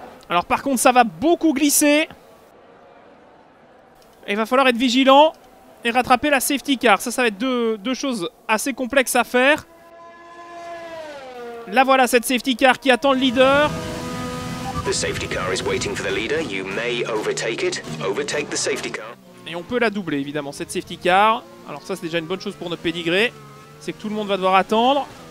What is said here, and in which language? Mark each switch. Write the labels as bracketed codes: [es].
[fr] Alors par contre, ça va beaucoup glisser. Il va falloir être vigilant et rattraper la safety car. Ça va être deux choses assez complexes à faire. Là voilà, cette safety car qui attend le leader. [en] The safety car is waiting for the leader. You may overtake it. Overtake the safety car. [fr] Et on peut la doubler, évidemment, cette safety car. Alors ça, c'est déjà une bonne chose pour notre pédigré. C'est que tout le monde va devoir attendre.